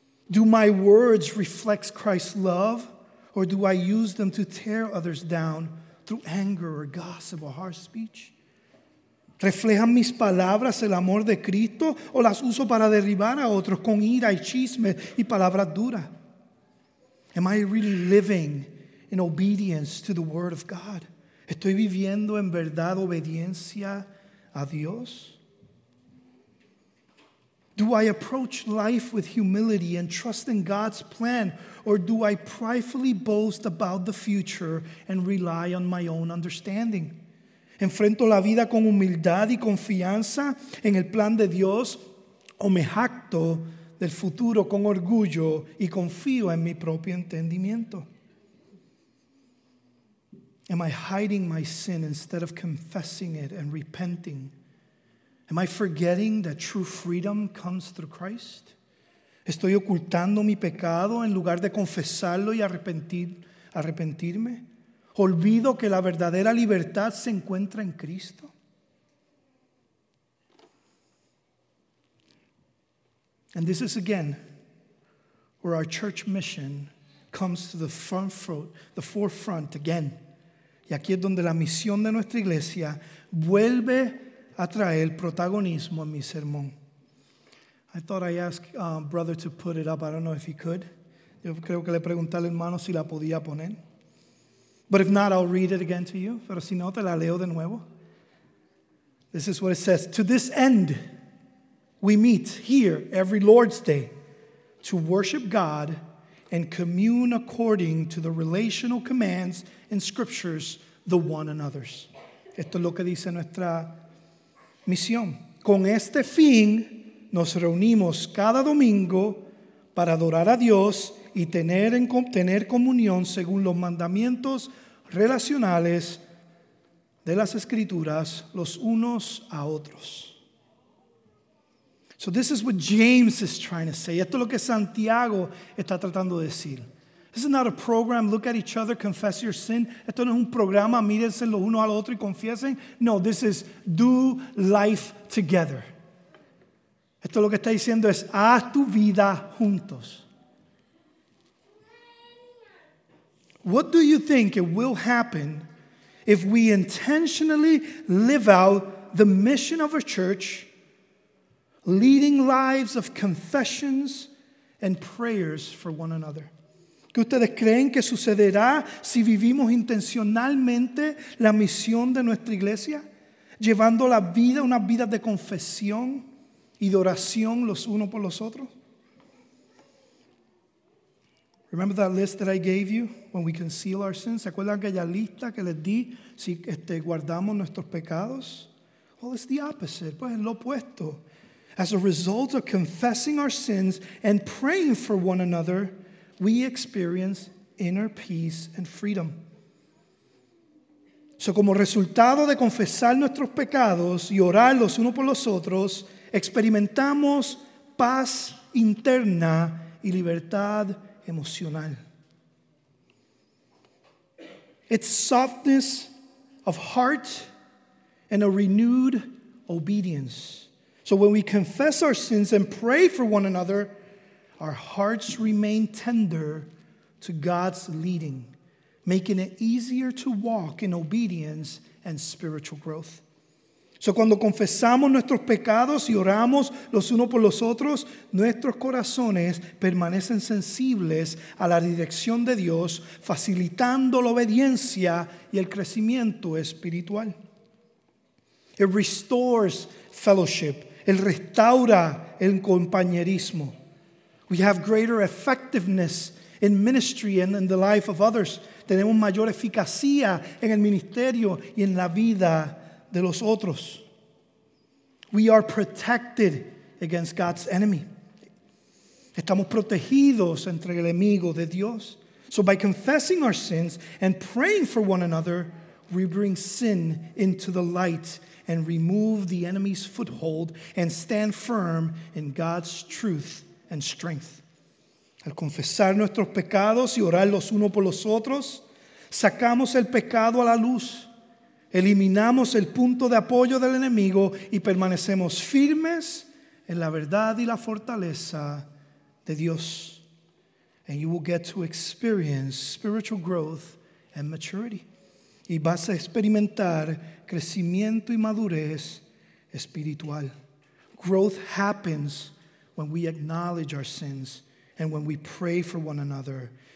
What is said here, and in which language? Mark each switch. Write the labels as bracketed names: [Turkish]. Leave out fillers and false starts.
[English] Do my words reflect Christ's love, or do I use them to tear others down through anger or gossip or harsh speech? [Spanish] ¿Reflejan mis palabras el amor de Cristo o las uso para derribar a otros con ira y chisme y palabras duras? [English] Am I really living in obedience to the word of God? [Spanish] ¿Estoy viviendo en verdad obediencia a Dios? [English] Do I approach life with humility and trust in God's plan, or do I pridefully boast about the future and rely on my own understanding? [Spanish] ¿Enfrento la vida con humildad y confianza en el plan de Dios, o me jacto del futuro con orgullo y confío en mi propio entendimiento? [English] Am I hiding my sin instead of confessing it and repenting? Am I forgetting that true freedom comes through Christ? [Spanish] ¿Estoy ocultando mi pecado en lugar de confesarlo y arrepentirme? ¿Olvido que la verdadera libertad se encuentra en Cristo? [English] And this is again where our church mission comes to the forefront again. [Spanish] Y aquí es donde la misión de nuestra iglesia vuelve a traer protagonismo en mi sermón. [English] I thought I'd ask brother to put it up. I don't know if he could. [Spanish] Yo creo que le pregunté al hermano si la podía poner. [English] But if not, I'll read it again to you. [Spanish] Pero si no, te la leo de nuevo. [English] This is what it says. To this end, we meet here every Lord's Day to worship God and commune according to the relational commands in scriptures, the one another's. [Spanish] Esto es lo que dice nuestra misión. Con este fin, nos reunimos cada domingo para adorar a Dios y tener comunión según los mandamientos relacionales de las escrituras, los unos a otros. [English] So this is what James is trying to say. [Spanish] Esto es lo que Santiago está tratando de decir. [English] This is not a program, look at each other, confess your sin. [Spanish] Esto no es un programa, mírense los unos al otro y confiesen. [English] No, this is do life together. [Spanish] Esto es lo que está diciendo es haz tu vida juntos. [English] What do you think it will happen if we intentionally live out the mission of a church, leading lives of confessions and prayers for one another? [Spanish] ¿Qué ustedes creen que sucederá si vivimos intencionalmente la misión de nuestra iglesia, llevando la vida, una vida de confesión y de oración los unos por los otros? [English] Remember that list that I gave you when we conceal our sins? [Spanish] ¿Se acuerdan aquella lista que les di si guardamos nuestros pecados? [English] Well, it's the opposite. [Spanish] Pues es lo opuesto. [English] As a result of confessing our sins and praying for one another, we experience inner peace and freedom. [Spanish] So como resultado de confesar nuestros pecados y orar los unos por los otros, experimentamos paz interna y libertad emocional. [English] It's softness of heart and a renewed obedience. So when we confess our sins and pray for one another, our hearts remain tender to God's leading, making it easier to walk in obedience and spiritual growth. [Spanish] So cuando confesamos nuestros pecados y oramos los unos por los otros, nuestros corazones permanecen sensibles a la dirección de Dios, facilitando la obediencia y el crecimiento espiritual. [English] It restores fellowship. [Spanish] El restaura el compañerismo. [English] We have greater effectiveness in ministry and in the life of others. [Spanish] Tenemos mayor eficacia en el ministerio y en la vida de los otros. [English] We are protected against God's enemy. [Spanish] Estamos protegidos entre el enemigo de Dios. [English] So by confessing our sins and praying for one another, we bring sin into the light and remove the enemy's foothold and stand firm in God's truth and strength. [Spanish] Al confesar nuestros pecados y orar los unos por los otros, sacamos el pecado a la luz, eliminamos el punto de apoyo del enemigo y permanecemos firmes en la verdad y la fortaleza de Dios. [English] And you will get to experience spiritual growth and maturity. [Spanish] Y vas a experimentar crecimiento y madurez espiritual. [English] Growth happens when we acknowledge our sins and when we pray for one another.